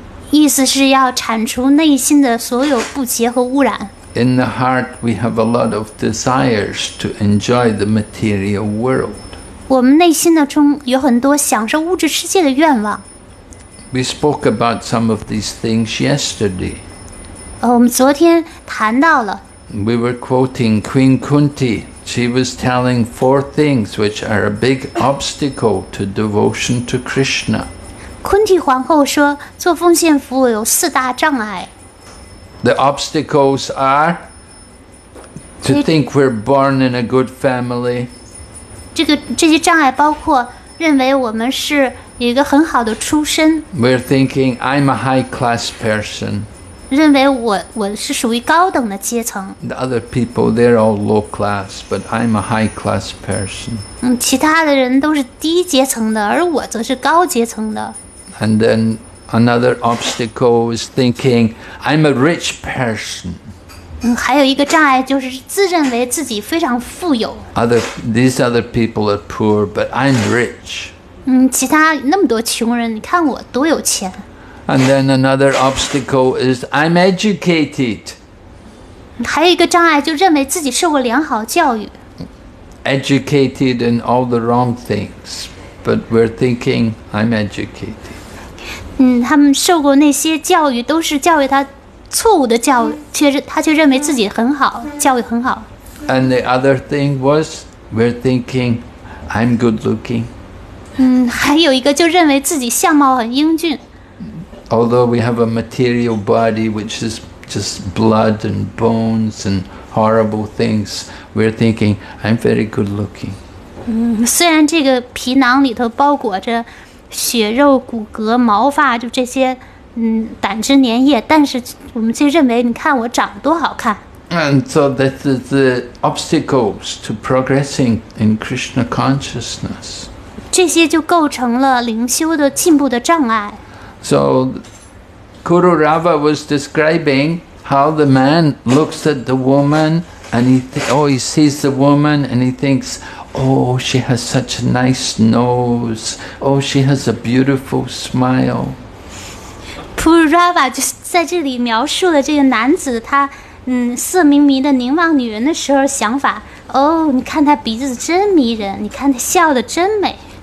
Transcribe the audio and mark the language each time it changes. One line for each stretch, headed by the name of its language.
Chinese: 意思是要铲除内心的所有不洁和污染。
English: In the heart, we have a lot of desires to enjoy the material world.
Chinese: 我们内心的中有很多享受物质世界的愿望。
English: We spoke about some of these things yesterday.
Chinese: 我们昨天谈到了。
English: We were quoting Queen Kunti. She was telling four things which are a big obstacle to devotion to Krishna.
Chinese: Kunti 皇后说做奉献服务有四大障碍。
English: The obstacles are to think we're born in a good family.
Chinese: 这些障碍包括认为我们是一个很好的出身。
English: We're thinking I'm a high class person.
Chinese: 认为我是属于高等的阶层。
English: The other people, they're all low class, but I'm a high class person.
Chinese: 其他的人都是低阶层的，而我则是高阶层的。
English: And then another obstacle is thinking I'm a rich person.
Chinese: 还有一个障碍就是自认为自己非常富有。
English: These other people are poor, but I'm rich.
Chinese: 其他那么多穷人，你看我多有钱。
English: And then another obstacle is I'm educated.
Chinese: 还有一个障碍就认为自己受过良好教育。
English: Educated in all the wrong things, but we're thinking I'm educated.
Chinese: 他们受过那些教育都是教育他错误的教却他却认为自己很好教育很好
English: And the other thing was we're thinking I'm good looking
Chinese: 还有一个就认为自己相貌很英俊
English: Although we have a material body which is just blood and bones and horrible things we're thinking I'm very good looking
Chinese: 虽然这个皮囊里头包裹着血肉骨骼毛发就这些胆汁粘液但是我们就认为你看我长得多好看
English: And so this is the obstacles to progressing in Krishna consciousness
Chinese: 这些就构成了灵修的进步的障碍
English: So Guru Rava was describing how the man looks at the woman and he sees the woman and he thinks Oh, she has such a nice nose. Oh, she has a beautiful smile.
Chinese: Purava 就在这里描述了这个男子他色迷迷的凝望女人的时候想法哦、oh, 你看他鼻子真迷人你看他笑得真美